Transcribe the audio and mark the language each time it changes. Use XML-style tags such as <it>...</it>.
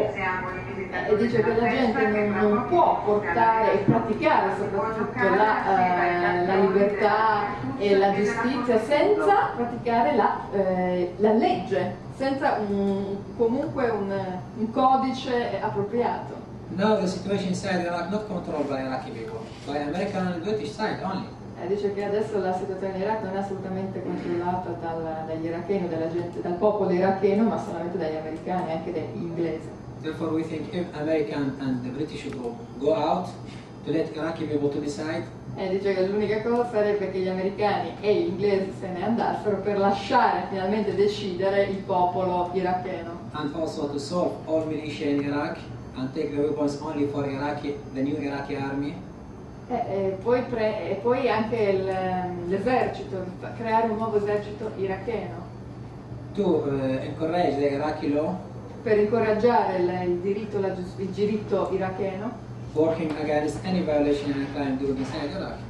<it>E dice che la gente non può portare e praticare soprattutto la libertà e la giustizia senza praticare la legge. Senza un codice appropriato.</it> <en>Now the situation inside Iraq not controlled by Iraqi people, by American and British side only.</en> <it>Dice che adesso la situazione in Iraq non è assolutamente controllata dagli iracheni, dal popolo iracheno, ma solamente dagli americani e anche dagli inglesi.</it> <en>Therefore we think if American and the British people go out to let Iraqi people to decide,</en> <it>E dice che l'unica cosa sarebbe che gli americani e gli inglesi se ne andassero per lasciare finalmente decidere il popolo iracheno.</it> <en>And also to solve all militia in Iraq and take the weapons only for Iraqi, the new Iraqi army.</en> <it>E poi anche l'esercito, creare un nuovo esercito iracheno.</it> <en>To encourage the Iraqi law.</en> <it>Per incoraggiare il diritto iracheno.</it> <en>Working against any violation of crime during the siege in Iraq.</en>